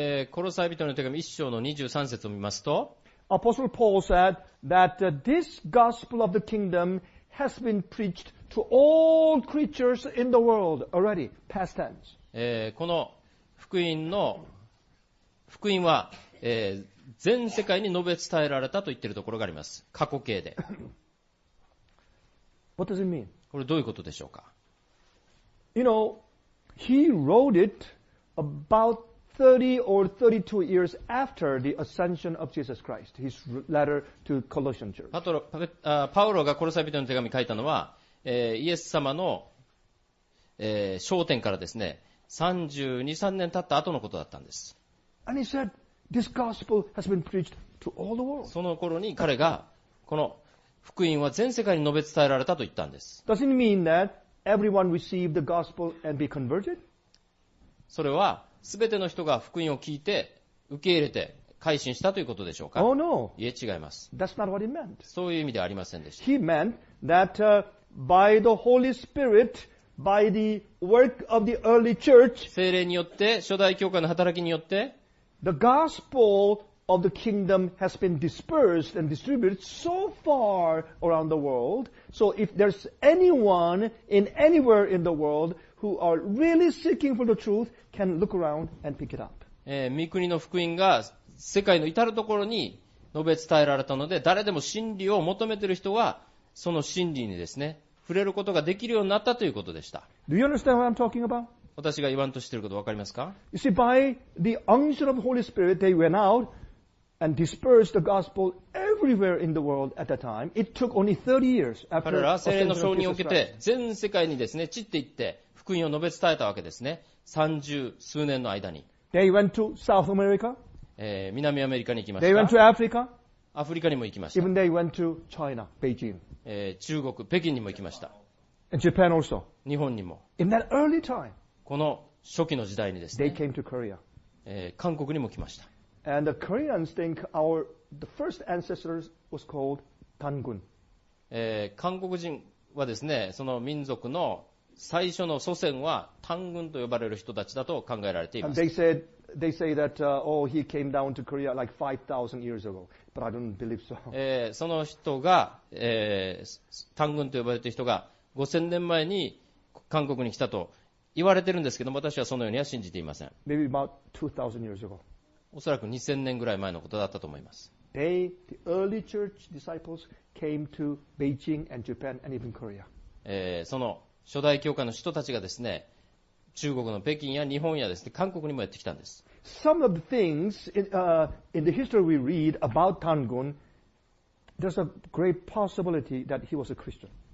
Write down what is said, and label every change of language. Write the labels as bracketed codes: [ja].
[ja] コロサイ人の手紙1章の23節を見ますと、 [en] Apostle Paul said that this gospel of the kingdom has been preached to all creatures in the world already, past tense. [ja] この福音は、全世界に述べ伝えられたと言っているところがあります。過去形で。 [en] What does it mean? [ja] これどういうことでしょうか? [en] You know, he wrote it about 30 or 32 years after the ascension of Jesus Christ, his letter to Colossian church. [ja] パウロがコロサイ人の手紙書いたのは、イエス様の、昇天からですね、32、3年経った後のことだったんです。 [en] And he said, this gospel has been preached to all the world. [ja] その頃に彼が、この福音は全世界に述べ伝えられたと言ったんです。 [en] Doesn't it mean that everyone received the gospel and be converted? [ja] それは、すべての人が福音を聞いて、受け入れて、改心したということでしょうか? [en] Oh no. [ja] いえ、違います。 [en] That's not what he meant. [ja] そういう意味ではありませんでした。 [en] He meant that, by the Holy Spirit,By the work of the early church, [ja] 聖霊によって、初代教会の働きによって、 [en] the gospel of the kingdom has been dispersed and distributed so far around the world. So if there's anyone in anywhere in the world who are really seeking for the truth, can look around and pick it up. [ja] 御国の福音が世界の至るところに述べ伝えられたので、誰でも真理を求めている人は、その真理にですね、触れることができるようになったということでした。 [en] Do you understand what I'm talking about? [ja] 私が言わんとしていることわかりますか? [en] You see, by the unction of the Holy Spirit, they went out and dispersed the gospel everywhere in the world at that time. It took only 30 years after the ascension of Jesus Christ. [ja] 彼らは聖霊の承認を受けて、全世界にですね、散っていって、福音を述べ伝えたわけですね。 30数年の間に。 [en] They went to South America. [ja] 南アメリカに行きました。 [en] They went to Africa. [ja] アフリカにも行きました。 [en] Even they went to China, Beijing. [ja] 中国、北京にも行きました。 [en] And Japan also. [ja] 日本にも。 [en] In that early time, [ja] この初期の時代にですね。 [en] They came to Korea. [ja] 韓国にも来ました。 [en] And the Koreans think the first ancestors was called 단군. [ja] 韓国人はですね、その民族の最初の祖先は単軍と呼ばれる人たちだと考えられています。 [en] And they say that, he came down to Korea like 5,000 years ago. But I don't believe so. [ja] その人が、単軍と呼ばれている人が5000年前に韓国に来たと言われてるんですけど、私はそのようには信じていません。 [en] Maybe about 2,000 years ago. [ja] おそらく2000年ぐらい前のことだったと思います。 [en] The early church disciples came to Beijing and Japan and even Korea. [ja] その初代教会の人たちがですね、中国の北京や日本やですね、韓国にもやってきたんです。 [en] Some of the things in the history we read about Tan Gun, there's a great possibility that he was a Christian.